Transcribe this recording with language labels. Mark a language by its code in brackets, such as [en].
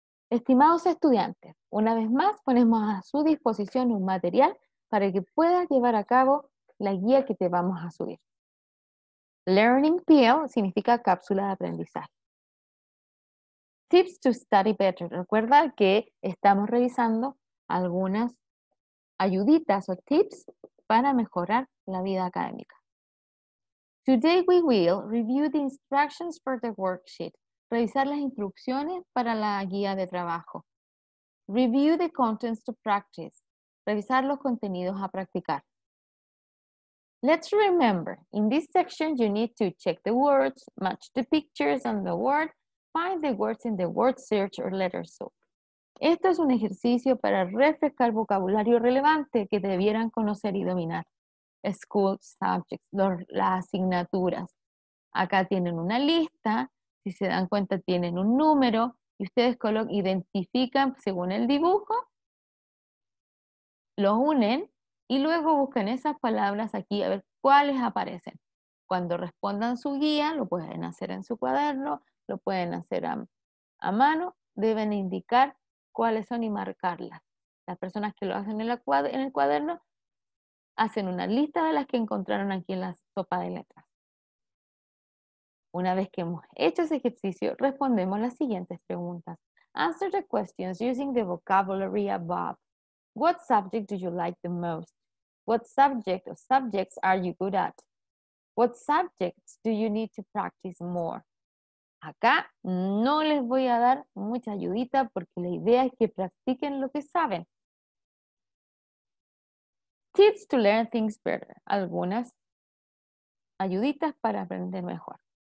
[es] Estimados estudiantes, una vez más ponemos a su disposición un material para que puedas llevar a cabo la guía que te vamos a subir. [en] Learning Field [es] significa cápsula de aprendizaje. [en] Tips to study better. [es] Recuerda que estamos revisando algunas ayuditas o tips para mejorar la vida académica. [en] Today we will review the instructions for the worksheet. [es] Revisar las instrucciones para la guía de trabajo. [en] Review the contents to practice. [es] Revisar los contenidos a practicar. [en] Let's remember, in this section you need to check the words, match the pictures on the word, find the words in the word search or letter soup. [es] Esto es un ejercicio para refrescar vocabulario relevante que debieran conocer y dominar. [en] School subjects, [es] las asignaturas. Acá tienen una lista, si se dan cuenta tienen un número, y ustedes identifican según el dibujo, lo unen, y luego buscan esas palabras aquí a ver cuáles aparecen. Cuando respondan su guía, lo pueden hacer en su cuaderno, lo pueden hacer a mano, deben indicar cuáles son y marcarlas. Las personas que lo hacen en el cuaderno hacen una lista de las que encontraron aquí en la sopa de letras. Una vez que hemos hecho ese ejercicio, respondemos las siguientes preguntas. [en] Answer the questions using the vocabulary above. What subject do you like the most? What subject or subjects are you good at? What subjects do you need to practice more? [es] Acá no les voy a dar mucha ayudita porque la idea es que practiquen lo que saben. [en] Tips to learn things better. [es] Algunas ayuditas para aprender mejor.